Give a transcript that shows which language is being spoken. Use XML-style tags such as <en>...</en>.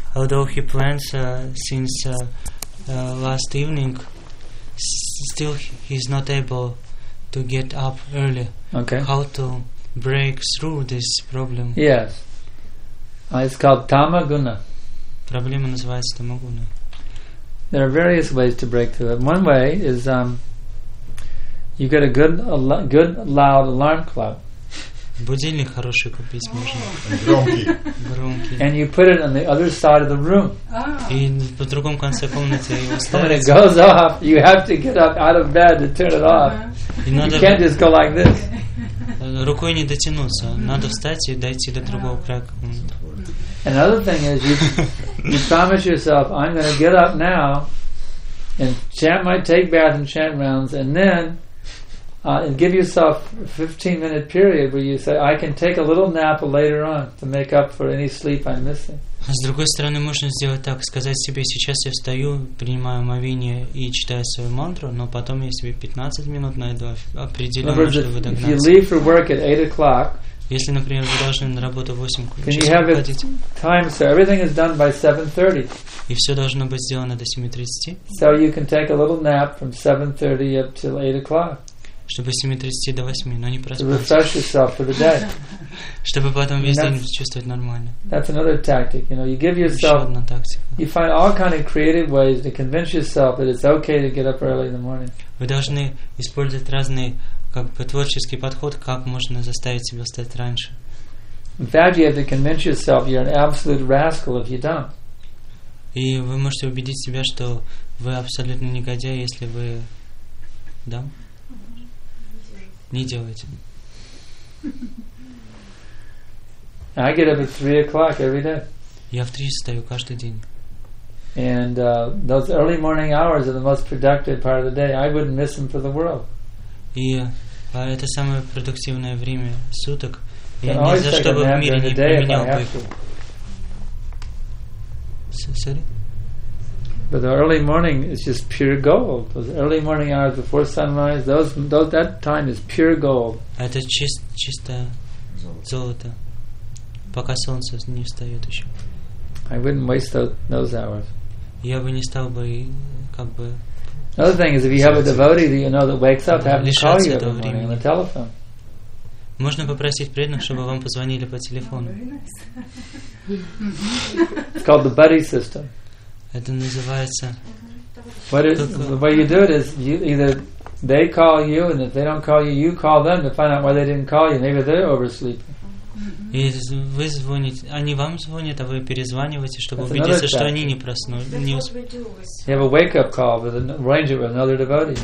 <en>Although he plans since last evening, still he's not able to get up early. Okay. How to break through this problem? Yes. It's called tamaguna.</en> <ru>Проблема называется тамагуна.</ru> <en>There are various ways to break through it. One way is you get a good loud alarm clock.</en> <ru>Будильник хороший купить можно. Громкий.</ru> <en>And you put it on the other side of the room.</en> <ru>И по другому конце комнаты его ставится.</ru> <en>When it goes off, you have to get up out of bed to turn it off. You can't just go like this.</en> <ru>Рукой не дотянуться. Надо встать и дойти до другого края комнаты.</ru> <en>Another thing is you promise yourself, I'm going to get up now and chant my take bath and chant rounds, and then and give yourself a 15-minute period where you say, I can take a little nap later on to make up for any sleep I'm missing.</en> <ru>С другой стороны, можно сделать так, сказать себе, сейчас я встаю, принимаю омовение и читаю свою мантру, но потом я себе 15 минут найду определенно, чтобы догнаться.</ru> <en>If you leave for work at 8 o'clock,</en> <ru>если, например, вы должны на работу в 8 часов</ru> <en>can you have</en> <ru>уходить,</ru> <en>time, so everything is done by 7:30.</en> <ru>И все должно быть сделано до 7:30.</ru> <en>So you can take a little nap from 7:30 up till 8 o'clock.</en> <ru>Чтобы с 7:30 до 8, но не проспать.</ru> <en>To refresh yourself for the day.</en> <ru>Чтобы потом весь день чувствовать нормально.</ru> <en>That's another tactic. You know, you give yourself.</en> <ru>Еще одна тактика.</ru> <en>You find all kind of creative ways to convince yourself that it's okay to get up early in the morning.</en> <ru>Вы должны использовать разные как бы творческий подход, как можно заставить себя встать раньше.</ru> <en>In fact, you have to convince yourself you're an absolute rascal if you don't.</en> <ru>И вы можете убедить себя, что вы абсолютно негодяй, если вы да? Не делаете.</ru> <en>I get up at 3 o'clock every day.</en> <ru>Я в 3 встаю каждый день.</ru> <en>And those early morning hours are the most productive part of the day. I wouldn't miss them for the world.</en> <ru>И это самое продуктивное время суток. Я ни за что бы в мире не применял бы их.</ru> <en>Sorry? But the early morning is just pure gold. Those early morning hours before sunrise, those that time is pure gold.</en> <ru>Это чисто золото. Пока солнце не встает еще.</ru> <en>I wouldn't waste those hours.</en> <ru>Я бы не стал бы как бы.</ru> <en>Another thing is, if you have a devotee that you know that wakes up, have him call you every morning on the telephone.</en> <ru>Можно попросить преданных, чтобы вам позвонили по телефону.</ru> <en>It's called the buddy system.</en> <ru>Это называется.</ru> <en>What is the way you do it is you either they call you, and if they don't call you, you call them to find out why they didn't call you. Maybe they're oversleeping.</en> <ru>И вы звоните, они вам звонят, а вы перезваниваете, чтобы</ru> <en>That's</en> <ru>убедиться, что они не проснулись.</ru> <en>You have a wake-up call with a ranger with another devotee.</en>